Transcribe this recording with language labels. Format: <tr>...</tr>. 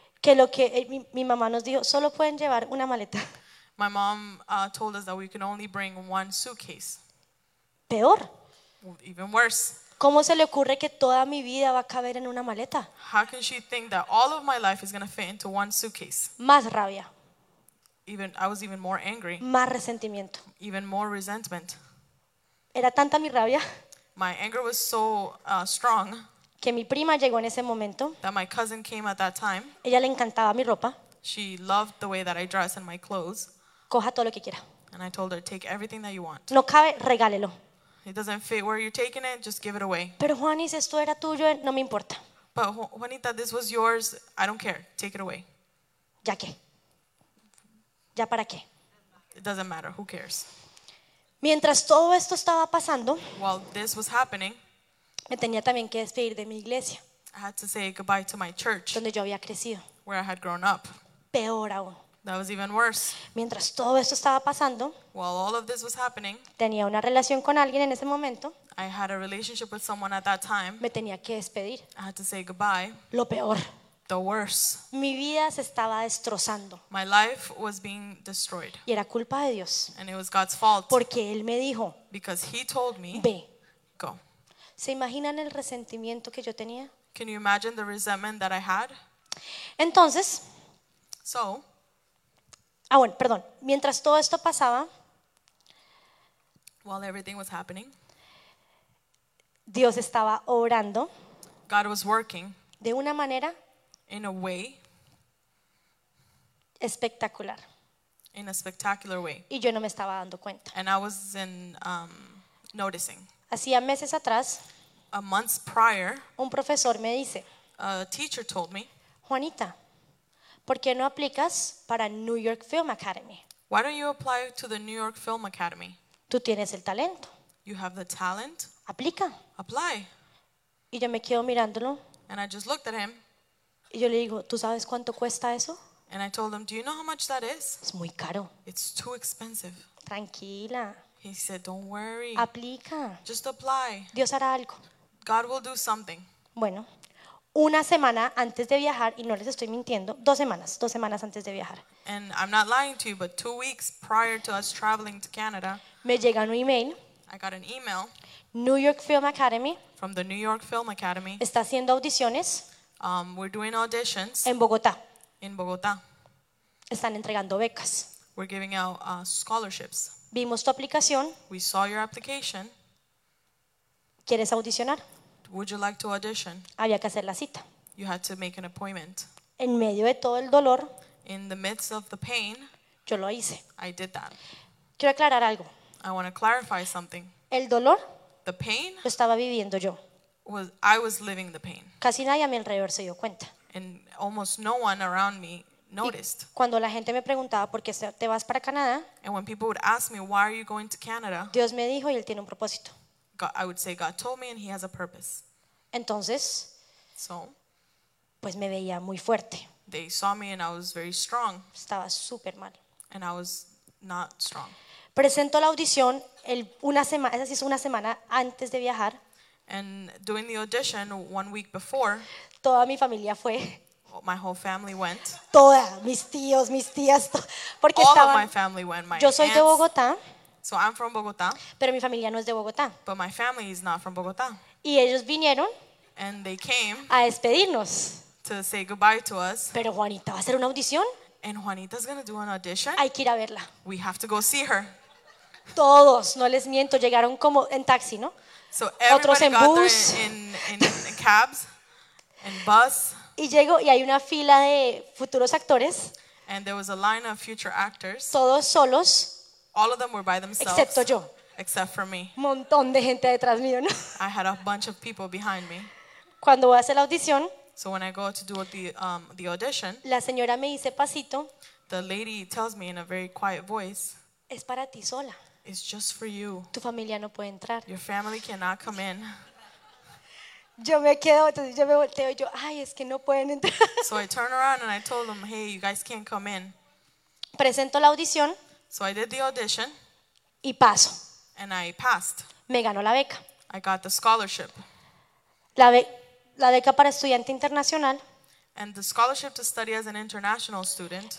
<es>Que lo que mi mamá nos dijo, solo pueden llevar una maleta.</es> <en>My mom told us that we can only bring one suitcase.</en> <es>Peor.</es> <en>Even worse.</en> <es>¿Cómo se le ocurre que toda mi vida va a caber en una maleta?</es> <en>How can she think that all of my life is going to fit into one suitcase?</en> <es>Más rabia.</es> <en>Even I was even more angry.</en> <es>Más resentimiento.</es> <en>Even more resentment.</en> <es>Era tanta mi rabia.</es> <en>My anger was so strong.</en> <es>Que mi prima llegó en ese momento.</es> <en>That my cousin came at that time.</en> <es>Ella le encantaba mi ropa.</es> <en>She loved the way that I dress and my clothes.</en> <es>Coja todo lo que quiera.</es> <en>And I told her, take everything that you want.</en> <es>No cabe, regálelo.</es> <en>It doesn't fit where you're taking it, just give it away.</en> <es>Pero Juanis, esto era tuyo, no me importa.</es> <en>But Juanita, this was yours, I don't care, take it away.</en> <es>¿Ya qué? ¿Ya para qué?</es> <en>It doesn't matter, who cares?</en> <es>Mientras todo esto estaba pasando,</es> <en>while this was happening,</en> <es>me tenía también que despedir de mi iglesia.</es> <en>I had to say goodbye to my church.</en> <es>Donde yo había crecido.</es> <en>Where I had grown up.</en> <es>Peor aún.</es> <en>That was even worse.</en> <es>Mientras todo esto estaba pasando,</es> <en>while all of this was happening,</en> <es>tenía una relación con alguien en ese momento.</es> <en>I had a relationship with someone at that time.</en> <es>Me tenía que despedir.</es> <en>I had to say goodbye.</en> <es>Lo peor.</es> <en>The worst.</en> <es>Mi vida se estaba destrozando.</es> <en>My life was being destroyed.</en> <es>Y era culpa de Dios.</es> <en>And it was God's fault.</en> <es>Porque él me dijo,</es> <en>because he told me,</en> <es>ve.</es> <en>Go.</en> <es>¿Se imaginan el resentimiento que yo tenía?</es> <en>Can you imagine the resentment that I had?</en> <es>Entonces,</es> <en>so,</en> <es>ah, bueno, perdón, mientras todo esto pasaba,</es> <en>while everything was happening,</en> <es>Dios estaba obrando.</es> <en>God was working.</en> <es>De una manera,</es> <en>in a way,</en> <es>espectacular.</es> <en>In a spectacular way.</en> <es>Y yo no me estaba dando cuenta.</es> <en>And I was in noticing.</en> <es>Hacía meses atrás,</es> <en>a month prior,</en> <es>un profesor me dice,</es> <en>a teacher told me,</en> <es>Juanita, ¿por qué no aplicas para New York Film Academy?</es> <en>Why don't you apply to the New York Film Academy?</en> <es>Tú tienes el talento.</es> <en>You have the talent.</en> <es>Aplica.</es> <en>Apply.</en> <es>Y yo me quedo mirándolo.</es> <en>And I just looked at him.</en> <es>Y yo le digo, ¿tú sabes cuánto cuesta eso?</es> <en>And I told him, do you know how much that is?</en> <es>Es muy caro.</es> <en>It's too expensive.</en> <es>Tranquila.</es> <en>He said, don't worry.</en> <es>Aplica.</es> <en>Just apply.</en> <es>Dios hará algo.</es> <en>God will do something.</en> <es>Bueno, una semana antes de viajar, y no les estoy mintiendo, dos semanas antes de viajar.</es> <en>And I'm not lying to you, but 2 weeks prior to us traveling to Canada,</en> <es>me llega un email.</es> <en>I got an email.</en> <es>New York Film Academy.</es> <en>From the New York Film Academy.</en> <es>Está haciendo audiciones.</es> <en>We're doing auditions.</en> <es>En Bogotá.</es> <en>In Bogotá.</en> <es>Están entregando becas.</es> <en>We're giving out scholarships.</en> <es>Vimos tu aplicación.</es> <en>We saw your application.</en> <es>¿Quieres audicionar?</es> <en>Would you like to audition?</en> <es>Había que hacer la cita.</es> <en>You had to make an appointment.</en> <es>En medio de todo el dolor.</es> <en>In the midst of the pain.</en> <es>Yo lo hice.</es> <en>I did that.</en> <es>Quiero aclarar algo.</es> <en>I want to clarify something.</en> <es>El dolor.</es> <en>The pain.</en> <es>Lo estaba viviendo yo.</es> <en>I was living the pain.</en> <es>Casi nadie a mi alrededor se dio cuenta.</es> <en>And almost no one around me noticed.</en> <es>Y cuando la gente me preguntaba por qué te vas para Canadá.</es> <en>And when people would ask me why are you going to Canada.</en> <es>Dios me dijo y él tiene un propósito.</es> <en>God, I would say God told me and he has a purpose.</en> <es>Entonces.</es> <en>So.</en> <es>Pues me veía muy fuerte.</es> <en>They saw me and I was very strong.</en> <es>Estaba súper mal.</es> <en>And I was not strong.</en> <es>Presento la audición una semana antes de viajar.</es> <en>And doing the audition 1 week before.</en> <es>Toda mi familia fue.</es> <en>My whole family went.</en> <es>Toda, mis tíos, mis tías, porque</es> <en>all</en> <es>estaban.</es> <en>All of my family went. My</en> <es>yo soy</es> <en>aunts,</en> <es>de Bogotá.</es> <en>So I'm from Bogotá.</en> <es>Pero mi familia no es de Bogotá.</es> <en>But my family is not from Bogotá.</en> <es>Y ellos vinieron.</es> <en>And they came.</en> <es>A despedirnos.</es> <en>To say goodbye to us.</en> <es>Pero Juanita va a hacer una audición.</es> <en>And Juanita's gonna do an audition.</en> <es>Hay que ir a verla.</es> <en>We have to go see her.</en> <es>Todos, no les miento, llegaron como en taxi, ¿no?</es> <en>So everybody</en> <es>otros en</es> <en>got</en> <es>bus.</es> <en>There in cabs, in bus.</en> <es>Y llego y hay una fila de futuros actores.</es> <en>And there was a line of future actors.</en> <es>Todos solos.</es> <en>All of them were by themselves.</en> <es>Excepto yo.</es> <en>Except for me.</en> <es>Montón de gente detrás mío, ¿no?</es> <en>I had a bunch of people behind me.</en> <es>Cuando voy a hacer la audición.</es> <en>So when I go to do the audition,</en> <es>la señora me dice pasito.</es> <en>The lady tells me in a very quiet voice.</en> <es>Es para ti sola.</es> <en>It's just for you.</en> <es>Tu familia no puede entrar.</es> <en>Your family cannot come in.</en> <es>Yo me quedo, entonces yo me volteo y yo, ay, es que no pueden entrar.</es> <en>So I turn around and I told them, hey, you guys can't come in.</en> <es>Presento la audición.</es> <en>So I did the audition.</en> <es>Y paso.</es> <en>And I passed.</en> <es>Me ganó la beca.</es> <en>I got the scholarship.</en> <es>La beca para estudiante internacional.</es> <en>And the scholarship to study as an international student.</en>